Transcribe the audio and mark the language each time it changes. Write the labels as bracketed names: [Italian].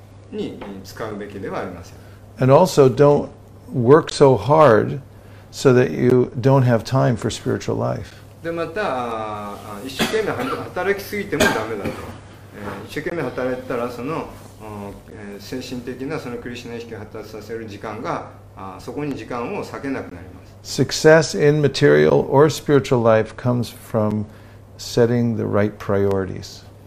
[Japanese] に使うべきではありません。 [English] And also don't work so hard so that you don't have time for spiritual life. [Japanese] でまた一生懸命働きすぎてもダメだと。一生懸命働いたらその精神的なそのクリシュナ意識を発達させる時間がそこに時間を割けなくなります。 [English] Success in material or spiritual life comes from setting the right priorities.